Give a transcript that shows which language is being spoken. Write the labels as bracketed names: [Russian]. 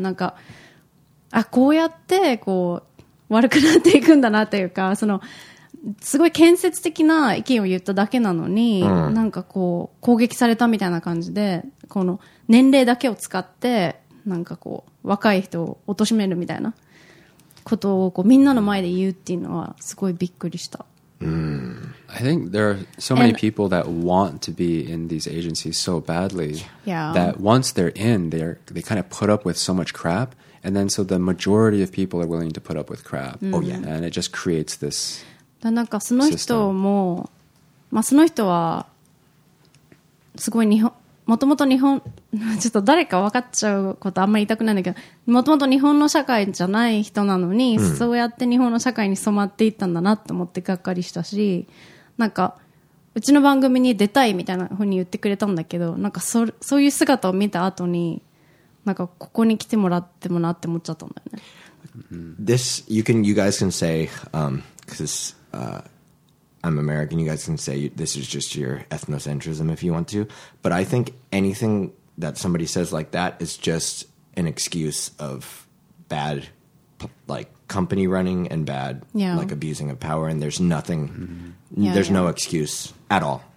[Japanese] なんか、あ、こうやって、こう、悪くなっていくんだなというか、そのすごい建設的な意見を言っただけなのに、うん、なんかこう攻撃されたみたいな感じで、この年齢だけを使ってなんかこう若い人を貶めるみたいなことをこうみんなの前で言うっていうのはすごいびっくりした。 Mm. [English] I think there are so many people that want to be in these agencies so badly that once they're in, they kind of put up with so much crap. And then so the majority of people are willing to put up with crap. Oh, yeah. And it just creates this system. [Japanese] なんかその人も、まあ、その人はすごい日本、もともと日本、ちょっと誰か分かっちゃうことあんまり言いたくないんだけど、もともと日本の社会じゃない人なのに、うん、そうやって日本の社会に染まっていったんだなと思ってがっかりしたし、なんかうちの番組に出たいみたいなふうに言ってくれたんだけど、なんか そういう姿を見た後に、なんかここに来てもらってもなって思っちゃったんだよね。 [English] This, you guys can say, because I'm American, you guys can say this is just your ethnocentrism if you want to, but I think anything that somebody says like that is just an excuse of bad, like, company running and bad, like, abusing of power, and there's nothing, no excuse at all.